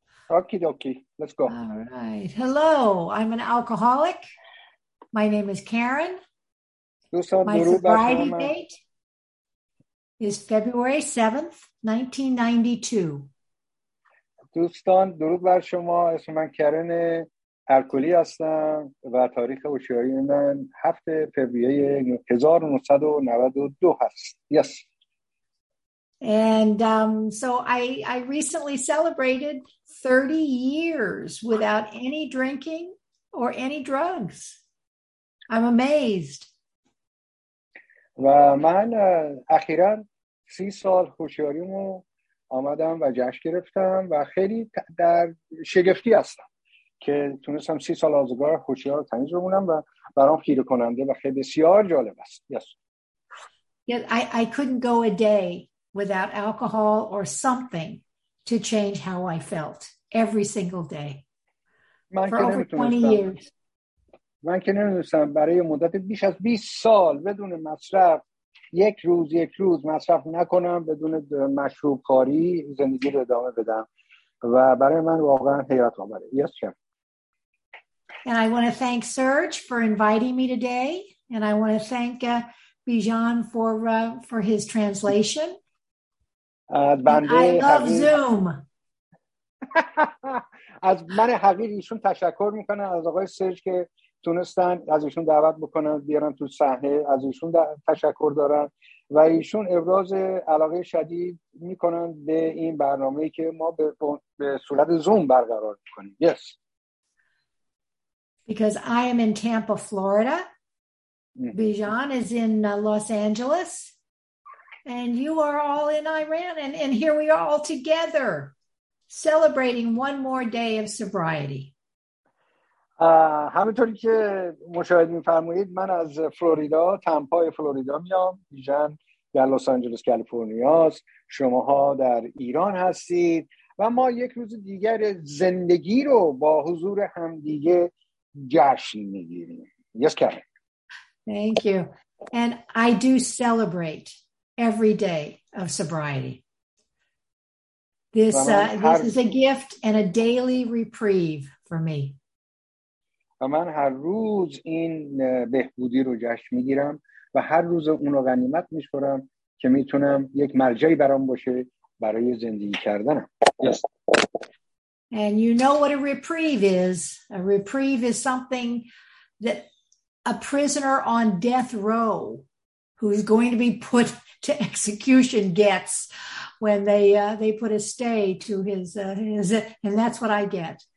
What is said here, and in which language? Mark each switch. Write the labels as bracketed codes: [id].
[en] Okie dokie. Let's go. All right. Hello. I'm an alcoholic. My name is Karen. My sobriety date is February 7th, 1992. [fa] دوستان درود بر شما. اسم من کرن الکلی هستم و تاریخ هوشیاری من 7 فوریه 1992 هست. [en] Yes. And so I recently celebrated 30 years without any drinking or any drugs. I'm amazed. [fa] و من اخیرا 30 سال هوشیاریمو آمدم و جشن گرفتم و خیلی در شگفتی هستم که تونستم 30 سال آزگار هوشیار تمیز بمونم و برام خیره کننده و خیلی بسیار جالب است. [en] Yes. Yeah, I couldn't go a day without alcohol or something to change how I felt every single day. [fa] من [en] For over 20 years. [fa] من که نمیدونستم برای مدت بیش از 20 سال بدون مصرف یک روز مصرف نکنم، بدون مشروب کاری زندگی رو ادامه بدم و برای من واقعا حیرت آوره. [en] Yes, sir. And I want to thank Serge for inviting me today and I want to thank Bijan for his translation. And I love Zoom. [fa] از من حقیقیشون تشکر میکنم، از آقای سرج که تونستن از ایشون دعوت بکنن بیارن تو صحنه، از ایشون تشکر دارن و ایشون ابراز علاقه شدید میکنن به این برنامه‌ای که ما به صورت زوم برقرار میکنیم. [en] Yes. Because I am in Tampa, Florida. Bijan is in Los Angeles. And you are all in Iran. And here we are all together celebrating one more day of sobriety. [fa] همینطوری که مشاهده می‌فرمایید من از فلوریدا، تمپای فلوریدا میام، بیژن در لس آنجلس کالیفرنیا است، شماها در ایران هستید و ما یک روز دیگر زندگی رو با حضور همدیگه جشن می‌گیریم. [en] Yes, Karen. Thank you. And I do celebrate every day of sobriety. This is a gift and a daily reprieve for me. [fa] و من هر روز این بهبودی رو جشن میگیرم و هر روز اون رو غنیمت میشورم که میتونم یک مرجعی برام باشه برای زندگی کردنم. [en] Yes. And you know what a reprieve is. A reprieve is something that a prisoner on death row who is going to be put to execution gets when they put a stay to his and that's what I get.